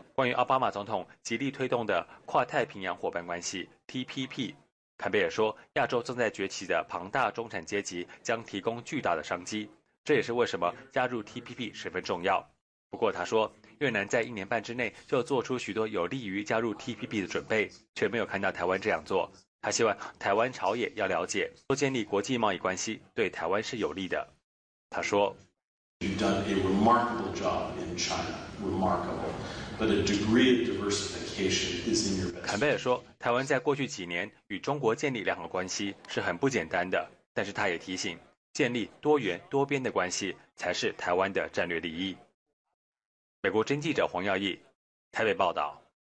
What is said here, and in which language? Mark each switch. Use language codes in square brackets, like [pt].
[zh] 关于奥巴马总统极力推动的跨太平洋伙伴关系 TPP， 坎贝尔说，亚洲正在崛起的庞大中产阶级将提供巨大的商机，这也是为什么加入 TPP 十分重要。不过他说，越南在一年半之内就做出许多有利于加入 TPP 的准备，却没有看到台湾这样做。他希望台湾朝野要了解，多建立国际贸易关系对台湾是有利的。他说， [en] You've done a remarkable job in China, remarkable. But a degree of diversification is in your best. [zh] 坎贝尔说，台湾在过去几年与中国建立良好关系是很不简单的，但是他也提醒，建立多元多边的关系才是台湾的战略利益。美国真记者黄耀毅台北报道。